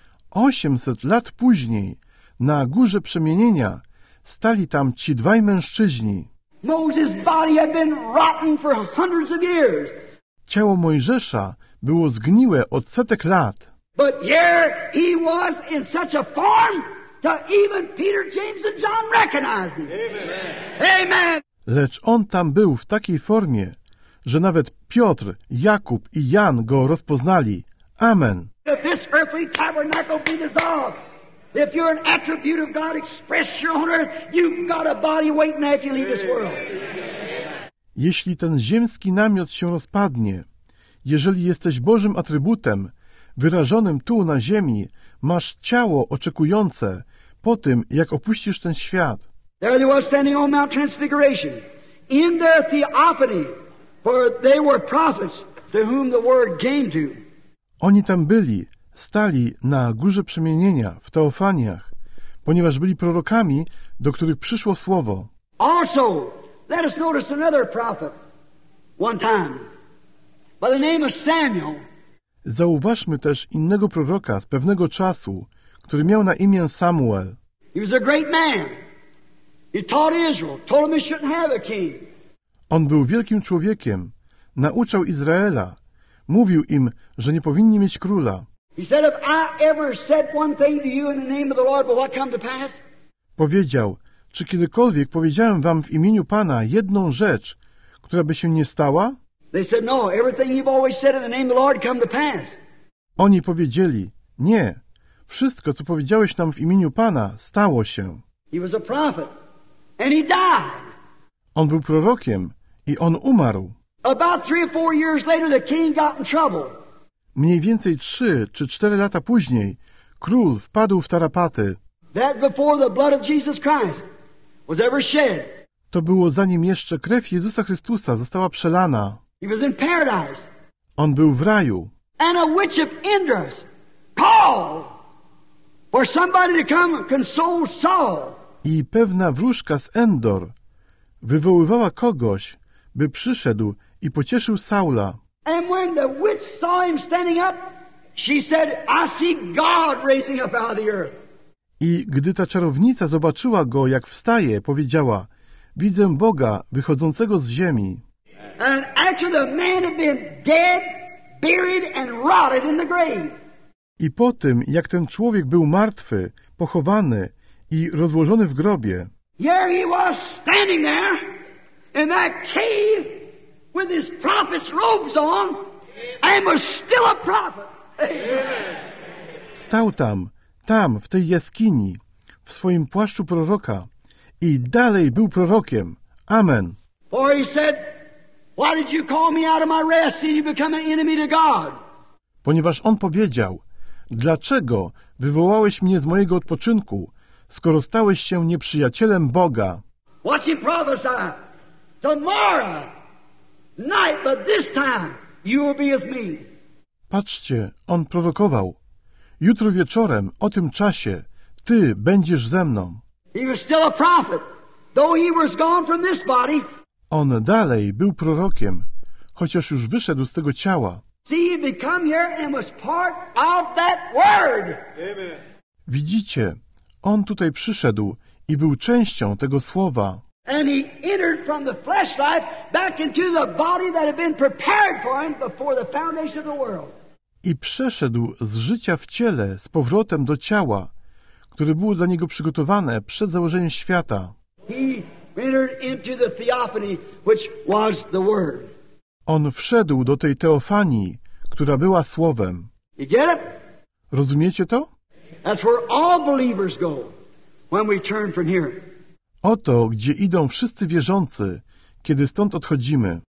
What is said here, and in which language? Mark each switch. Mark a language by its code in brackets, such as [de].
[pl] 800 lat później, na górze przemienienia, stali tam ci dwaj mężczyźni. [en] Moses' body had been rotten for hundreds of years. [pl] Ciało Mojżesza było zgniłe od setek lat. [en] But here he was in such a form that even Peter, James and John recognized him. Amen. Amen. [pl] Lecz on tam był w takiej formie, że nawet Piotr, Jakub i Jan go rozpoznali. [en] Amen. If this earthly tabernacle be dissolved, if you're an attribute of God expressed here on earth, you've got a body waiting after you leave this world. [pl] Jeśli ten ziemski namiot się rozpadnie, jeżeli jesteś Bożym atrybutem, wyrażonym tu na ziemi, masz ciało oczekujące po tym, jak opuścisz ten świat. [en] There they were standing on Mount Transfiguration, in their theophany, for they were prophets to whom the word came to. [pl] Oni tam byli, stali na górze przemienienia, w teofaniach, ponieważ byli prorokami, do których przyszło słowo. [en] Also, let us notice another prophet, one time, by the name of Samuel. [pl] Zauważmy też innego proroka z pewnego czasu, który miał na imię Samuel. [en] He was a great man. He taught Israel, told them they shouldn't have a king. [pl] On był wielkim człowiekiem, nauczał Izraela, mówił im, że nie powinni mieć króla. [en] He said, "If I ever said one thing to you in the name of the Lord, will what come to pass?" [pl] Powiedział: "Czy kiedykolwiek powiedziałem wam w imieniu Pana jedną rzecz, która by się nie stała?" [en] They said, "No, everything you've always said in the name of the Lord come to pass." [pl] Oni powiedzieli: "Nie, wszystko, co powiedziałeś nam w imieniu Pana, stało się." [en] He was a prophet, and he died. [pl] On był prorokiem i on umarł. [en] About 3 or 4 years later, the king got in trouble. [pl] Mniej więcej 3 czy 4 lata później król wpadł w tarapaty. [en] That before the blood of Jesus Christ was ever shed. [pl] To było zanim jeszcze krew Jezusa Chrystusa została przelana. [en] He was in paradise. [pl] On był w raju. [en] And a witch of Endor's called for somebody to come and console Saul. [pl] I pewna wróżka z Endor wywoływała kogoś, by przyszedł i pocieszył Saula. [en] And when the witch saw him standing up, she said, "I see God raising up out of the earth." [pl] I gdy ta czarownica zobaczyła go, jak wstaje, powiedziała: "Widzę Boga wychodzącego z ziemi." [en] And after the man had been dead, buried and rotted in the grave. [pl] I po tym, jak ten człowiek był martwy, pochowany i rozłożony w grobie, [en] here he was standing there in that cave with his prophet's robes on and was still a prophet. [pl] Stał tam, tam, w tej jaskini, w swoim płaszczu proroka i dalej był prorokiem. [en] Amen. For he said, "Why did you call me out of my rest and you become an enemy to God?" [pl] Ponieważ on powiedział: "Dlaczego wywołałeś mnie z mojego odpoczynku, skoro stałeś się nieprzyjacielem Boga?" [en] Watch him prophesy. Tomorrow night, but this time you will be with me. [pl] Patrzcie, on prorokował: "Jutro wieczorem, o tym czasie, ty będziesz ze mną." [en] He was still a prophet, though he was gone from this body. [pl] On dalej był prorokiem, chociaż już wyszedł z tego ciała. [en] See, he became here and was part of that word. Amen. [pl] Widzicie, on tutaj przyszedł i był częścią tego słowa. [en] And he entered from the flesh life back into the body that had been prepared for him before the foundation of the world. [pl] I przeszedł z życia w ciele z powrotem do ciała, które było dla niego przygotowane przed założeniem świata. [en] He entered into the theophany, which was the word. [pl] On wszedł do tej teofanii, która była słowem. [en] You get it? [pl] Rozumiecie to? [en] That's where all believers go when we turn from here. [pl] Oto, gdzie idą wszyscy wierzący, kiedy stąd odchodzimy.